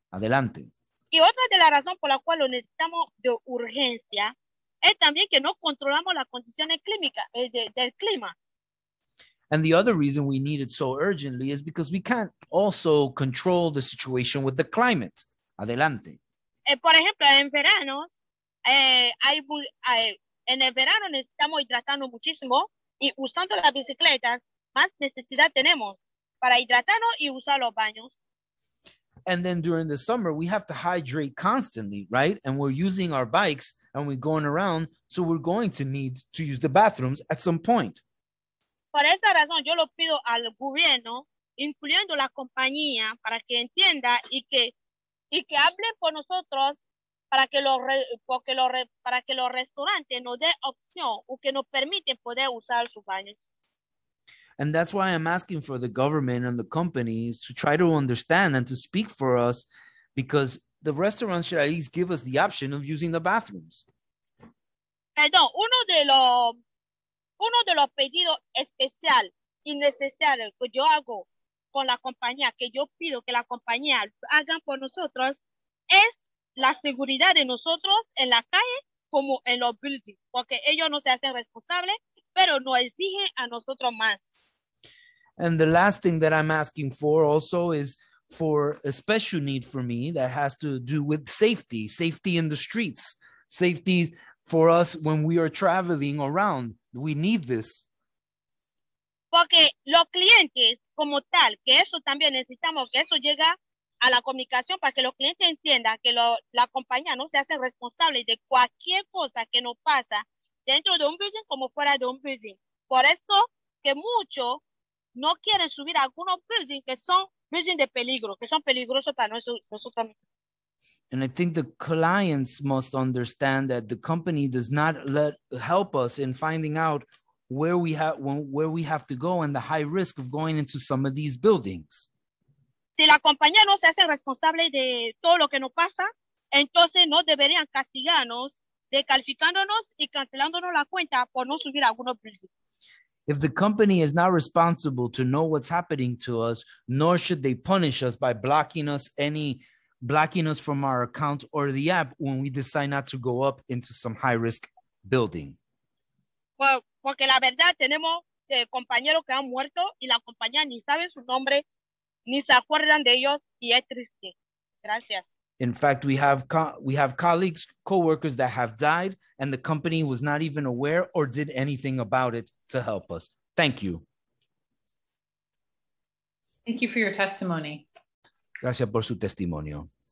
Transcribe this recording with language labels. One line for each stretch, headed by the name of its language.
Spanish: Adelante. Y otra de la razón por la cual lo necesitamos de urgencia es también que no controlamos las condiciones climáticas del clima.
English: And the other reason we need it so urgently is because we can't also control the situation with the climate.
Spanish: Adelante. Por ejemplo, en verano. En el verano necesitamos hidratarnos muchísimo y usando las bicicletas más necesidad tenemos para hidratarnos y usar los baños.
English: And then during the summer we have to hydrate constantly, right? And we're using our bikes and we're going around, so we're going to need to use the bathrooms at some point.
Spanish: Por esa razón yo lo pido al gobierno, incluyendo la compañía, para que entienda y que hablen por nosotros. Para que los restaurantes nos den opción o que nos permiten poder usar sus baños.
English: And that's why I'm asking for the government and the companies to try to understand and to speak for us, because the restaurants should at least give us the option of using the bathrooms.
Spanish: Perdón, uno de los pedidos especial y necesario que yo hago con la compañía, que yo pido que la compañía hagan por nosotros, es la seguridad de nosotros en la calle como en los buildings, porque ellos no se hacen responsables, pero nos exigen a nosotros más.
English: And the last thing that I'm asking for also is for a special need for me that has to do with safety in the streets, safety for us when we are traveling around. We need this.
Spanish: Porque los clientes como tal, que eso también necesitamos, que eso llega a la comunicación para que los clientes entiendan que la compañía no se hace responsable de cualquier cosa que nos pasa dentro de un building como fuera de un building. Por eso que muchos no quieren subir a algunos buildings que son buildings de peligro, que son peligrosos para nosotros mismos.
English: And I think the clients must understand that the company does not help us in finding out where we have to go and the high risk of going into some of these buildings.
Spanish: Si la compañía no se hace responsable de todo lo que nos pasa, entonces no deberían castigarnos, descalificándonos y cancelándonos la cuenta por no subir a algunos buildings.
English: If the company is not responsible to know what's happening to us, nor should they punish us by blocking us from our account or the app when we decide not to go up into some high-risk building.
Spanish: Well, porque la verdad, tenemos compañeros que han muerto y la compañía ni sabe su nombre. Ni se acuerdan de ellos y es triste. Gracias.
English: In fact, we have colleagues, co-workers that have died and the company was not even aware or did anything about it to help us. Thank you. Thank you for your testimony.
Spanish: Gracias por su testimonio.